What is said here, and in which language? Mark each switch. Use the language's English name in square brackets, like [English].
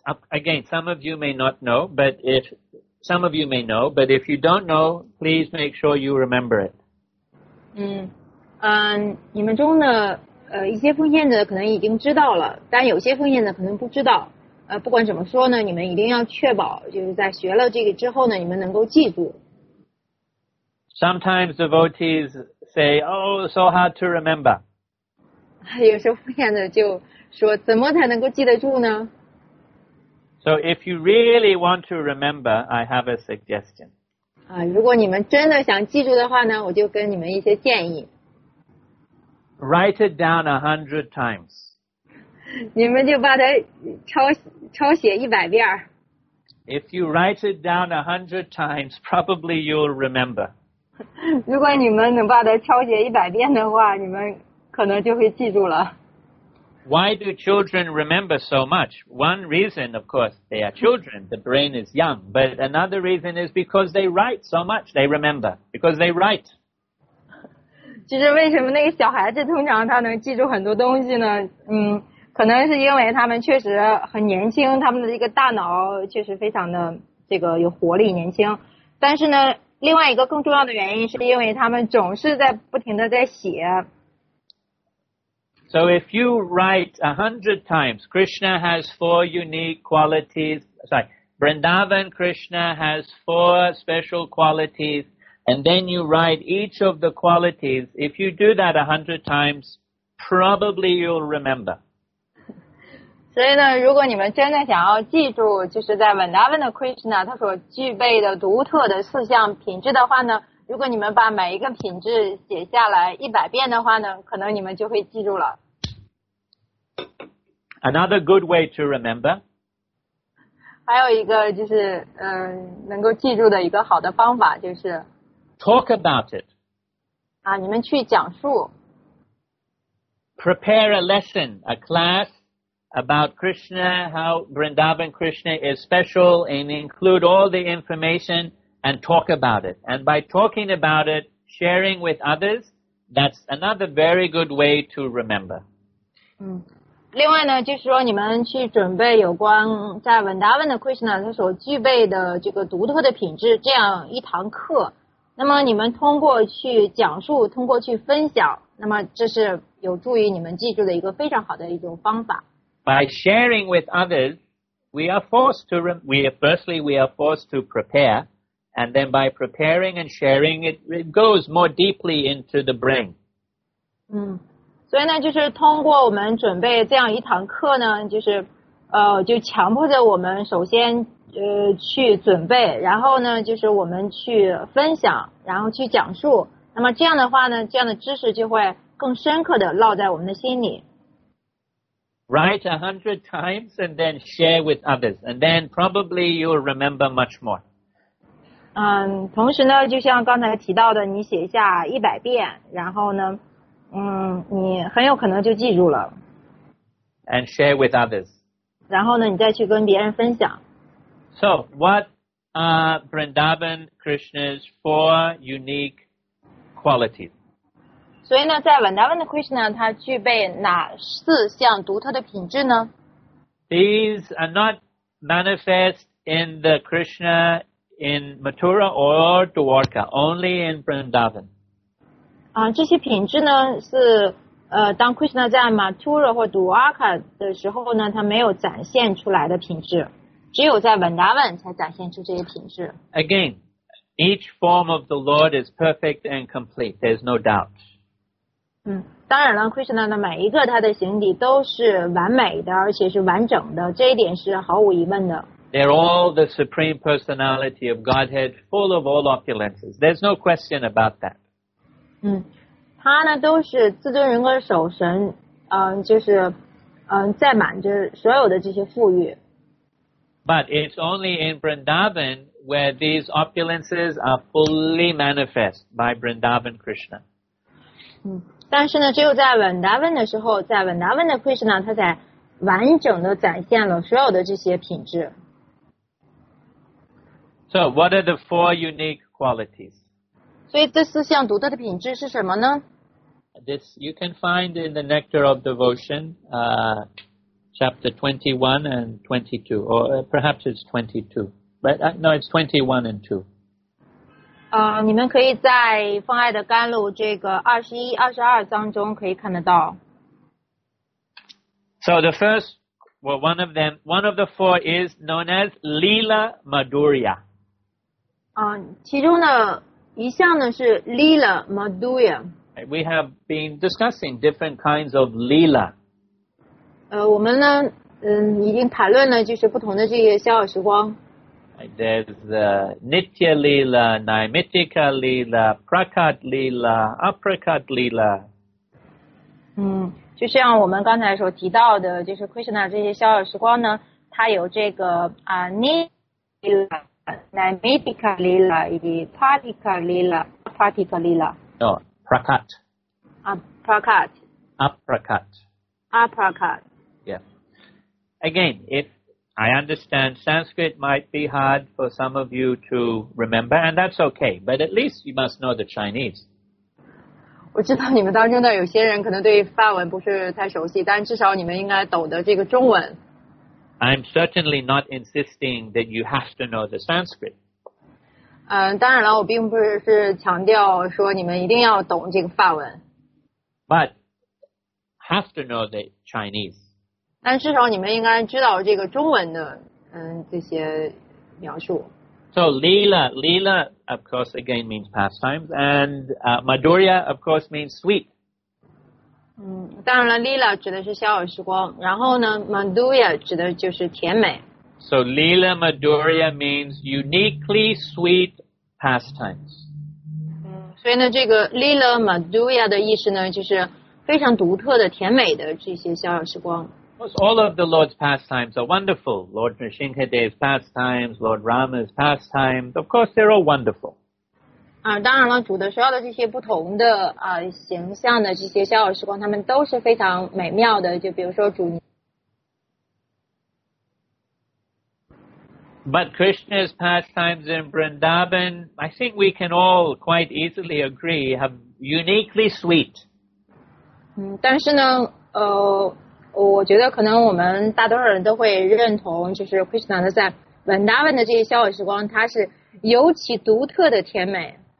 [English] Again, some of you may not know, but if some of you may know, but if you don't know, please make sure you remember it. [Chinese] 你们中的一些奉献者可能已经知道了，但有些奉献者可能不知道。不管怎么说呢，你们一定要确保就是在学了这个之后呢，你们能够记住。 [English] Sometimes devotees say, "Oh, so hard to remember." [Chinese] 有时候奉献者就说，怎么才能够记得住呢？ [English] So if you really want to remember, I have a suggestion. [Chinese] 如果你们真的想记住的话呢，我就跟你们一些建议。 [English] Write it down 100 times. [Chinese] 你们就把它抄写100遍。 [English] If you write it down 100 times, probably you'll remember. [Chinese] 如果你们能把它抄写100遍的话，你们可能就会记住了。 [English] Why do children remember so much? One reason, of course, they are children. The brain is young. But another reason is because they write so much, they remember. Because they write. [Chinese] 就是为什么那个小孩子通常他能记住很多东西呢？可能是因为他们确实很年轻，他们的这个大脑确实非常的这个有活力，年轻。但是呢，另外一个更重要的原因是因为他们总是在不停的在写。 [English] So if you write 100 times, Krishna has 4 unique qualities. Sorry, Vrindavan Krishna has 4 special qualities. And then you write each of the qualities. If you do that 100 times, probably you'll remember. [Chinese] 所以呢，如果你们真的想要记住，就是在 Vrindavan 的 Krishna 他所具备的独特的四项品质的话呢，如果你们把每一个品质写下来100遍的话呢，可能你们就会记住了。 [English] Another good way to remember. [Chinese] 还有一个就是能够记住的一个好的方法就是。 [English] Talk about it. [Chinese] 你们去讲述。 [English] Prepare a lesson, a class about Krishna, how Vrindavan Krishna is special, and include all the information and talk about it. And by talking about it, sharing with others, that's another very good way to remember. [Chinese] 另外呢，就是说你们去准备有关在 Vrindavan 的 Krishna 他所具备的这个独特的品质，这样一堂课。那么你们通过去讲述，通过去分享，那么这是有助于你们记住的一个非常好的一种方法。 [English] By sharing with others, we are forced to prepare, and then by preparing and sharing, it goes more deeply into the brain. [Chinese] 所以呢，就是通过我们准备这样一堂课呢，就是就强迫着我们首先。去准备，然后呢，就是我们去分享，然后去讲述。那么这样的话呢，这样的知识就会更深刻的烙在我们的心里。 [English] Write 100 times and then share with others, and then probably you'll remember much more. [Chinese] 同时呢，就像刚才提到的，你写下100遍，然后呢，你很有可能就记住了。 [English] And share with others. [Chinese] 然后呢，你再去跟别人分享。 [English] So, what are Vrindavan Krishna's 4 unique qualities? [Chinese] 所以呢，在 Vrindavan Krishna, 它具备哪四项独特的品质呢？ [English] These are not manifest in the Krishna in Mathura or Dwarka, only in Vrindavan. [Chinese] 这些品质呢，是当 Krishna 在 Mathura 或 Dwarka 的时候呢，它没有展现出来的品质。只有在 Vrindavan 才展现出这些品质。 [English] Again, each form of the Lord is perfect and complete. There's no doubt. [Chinese] 当然了 ，Krishna 的每一个他的形体都是完美的，而且是完整的。这一点是毫无疑问的。 [English] They're all the Supreme Personality of Godhead, full of all opulences. There's no question about that. [Chinese] 他呢都是自尊人格的守神，就是载满着所有的这些富裕。 [English] But it's only in Vrindavan where these opulences are fully manifest by Vrindavan Krishna. [Chinese] 但是呢，只有在 Vrindavan 的时候，在 Vrindavan 的 Krishna 他才完整的展现了所有的这些品质。 [English] So what are the four unique qualities? [Chinese] 所以这四项独特的品质是什么呢？ [English] This you can find in the Nectar of Devotion, chapter 21 and 22, or perhaps it's 22. But, no, it's 21 and 2. [Chinese] 你们可以在《妨碍的甘露》这个21、22章中可以看得到。 [English] So the first, well, one of them, one of the four is known as Lila Madhurya. [Chinese] 其中的一项呢是 Lila Madhurya. [English] We have been discussing different kinds of Lila. [Chinese] 我们呢已经谈论了就是不同的这些逍遥时光。 [English] There's the Nitya Lila, Naimittika Lila, Prakat Lila, Aprakat Lila. [Chinese] 就像我们刚才所提到的，就是 Krishna 这些逍遥时光呢，它有这个Nitya Lila, Naimittika Lila, 以及 Pratika Lila, Aprakat Lila. [English] No, Prakat. Aprakat. Aprakat. Aprakat. Yes. Again, I understand Sanskrit might be hard for some of you to remember, and that's okay, but at least you must know the Chinese. [Chinese] 我知道你们当中的有些人可能对梵文不是太熟悉，但至少你们应该懂得这个中文。 [English] I'm certainly not insisting that you have to know the Sanskrit. [Chinese] 当然了，我并不是强调说你们一定要懂这个梵文。 [English] But have to know the Chinese. [Chinese] 但至少你们应该知道这个中文的这些描述。 [English] So Lila, Lila of course again means pastimes, and Madhurya of course means sweet. [Chinese] 当然了 ,Lila 指的是逍遥时光，然后呢 ,Madhurya 指的就是甜美。 [English] So Lila Madhurya means uniquely sweet pastimes. [Chinese] 所以呢这个 Lila Madhurya 的意思呢就是非常独特的甜美的这些逍遥时光。 [English] All of the Lord's pastimes are wonderful. Lord Nrisimhadev's pastimes, Lord Rama's pastimes, of course, they're all wonderful. [Chinese] 当然了，主的所有的这些不同的形象的这些逍遥时光，他们都是非常美妙的。就比如说主。 [English] But Krishna's pastimes in Vrindavan, I think we can all quite easily agree, have uniquely sweet. [Chinese] 但是呢，我觉得可能我们大多数人都会认同，就是 Krishna 的在 Vrindavan 的这些逍遥时光，它是尤其独特的甜美。